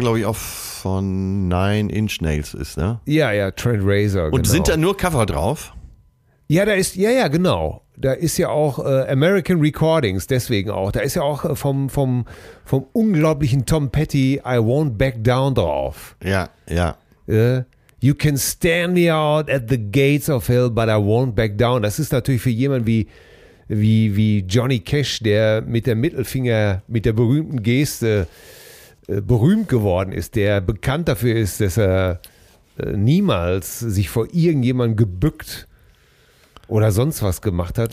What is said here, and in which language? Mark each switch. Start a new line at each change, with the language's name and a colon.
German: Glaube ich, auch von Nine Inch Nails ist, ne? Ja, ja, Trent Reznor. Und genau. Sind da nur Cover drauf? Ja, da ist, ja, ja, genau. Da ist ja auch American Recordings, deswegen auch. Da ist ja auch vom unglaublichen Tom Petty I Won't Back Down drauf. Ja, ja.
English: You can stand me out at the gates of hell, but I won't back down.
German: Das ist natürlich für jemanden wie Johnny Cash, der mit dem Mittelfinger, mit der berühmten Geste berühmt geworden ist, der bekannt dafür ist, dass er niemals sich vor irgendjemandem gebückt oder sonst was gemacht hat.